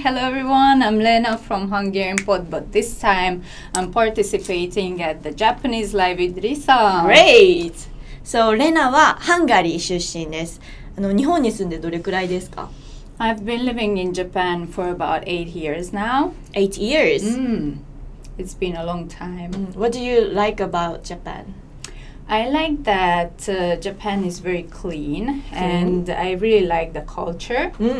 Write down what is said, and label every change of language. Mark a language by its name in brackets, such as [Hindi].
[English] Hello everyone, I'm Lena from Hungarian Pod, but this time I'm participating at the Japanese Live with Risa. Great! So, [Japanese] Lena はハンガリー出身です。日本に住んでどれくらいですか? [English] I've been living in Japan for about 8 years now. 8 years? Mm. It's been a long time. What do you like about Japan? I like that Japan is very clean, and I really like the culture.